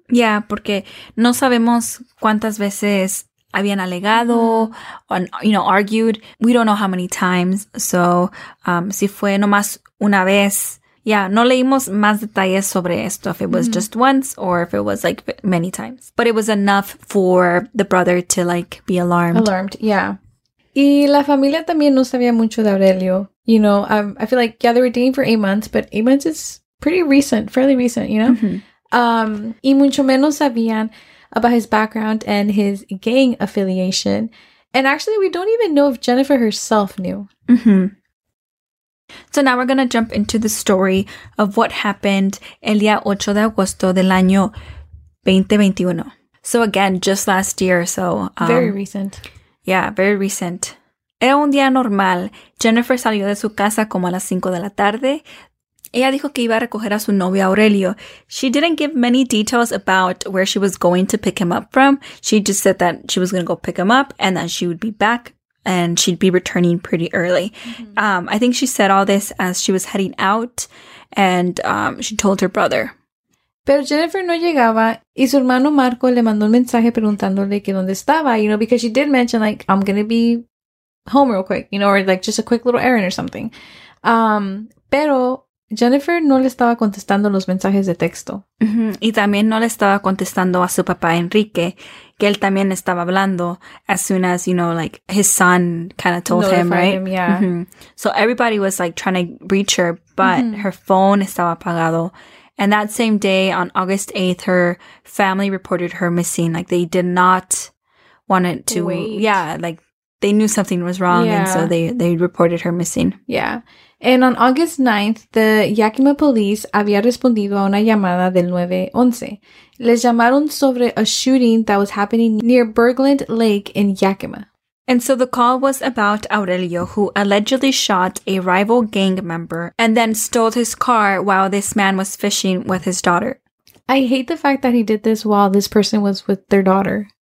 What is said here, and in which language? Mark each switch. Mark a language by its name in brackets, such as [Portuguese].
[Spanish] Yeah, porque no sabemos cuántas veces habían alegado, [English] or, you know, argued. We don't know how many times. [Spanish] So, si fue nomás una vez. [English] Yeah, [Spanish] no leímos más detalles sobre esto, [English] if it was just once or if it was like many times. But it was enough for the brother to like be alarmed. Alarmed, yeah. [Spanish] Y la familia también no sabía mucho de Aurelio. [English] You know, I feel like, yeah, they were dating for 8 months, but 8 months is pretty recent, fairly recent, you know? Mm-hmm. [Spanish] Y mucho menos sabían [English] about his background and his gang affiliation. And actually, we don't even know if Jennifer herself knew. Mm-hmm. So now we're going to jump into the story of what happened [Spanish] el día 8 de agosto del año 2021. [English] So again, just last year, so... very recent. Yeah, very recent. [Spanish] Era un día normal. Jennifer salió de su casa como a las 5 de la tarde. Ella dijo que iba a recoger a su novio Aurelio. [English] She didn't give many details about where she was going to pick him up from. She just said that she was going to go pick him up and that she would be back and she'd be returning pretty early. Mm-hmm. I think she said all this as she was heading out and she told her brother. [Spanish] Pero Jennifer no llegaba y su hermano Marco le mandó un mensaje preguntándole que dónde estaba, [English] you know, because she did mention like, I'm going to be home real quick, you know, or like just a quick little errand or something. [Spanish] Pero Jennifer no le estaba contestando los mensajes de texto. Mm-hmm. Y también no le estaba contestando a su papá Enrique, que él también estaba hablando [English] as soon as, you know, like his son kind of told him, right? Him, yeah. Mm-hmm. So everybody was like trying to reach her, but her phone [Spanish] estaba apagado. [English] And that same day, on August 8th, her family reported her missing. Like, they did not want it to wait. Yeah, like, they knew something was wrong, yeah. And so they reported her missing. Yeah. And on August 9th, the Yakima police [Spanish] había respondido a una llamada del 911. Les llamaron sobre [English] a shooting that was happening near Berglund Lake in Yakima. And so the call was about Aurelio, who allegedly shot a rival gang member and then stole his car while this man was fishing with his daughter. I hate the fact that he did this while this person was with their daughter.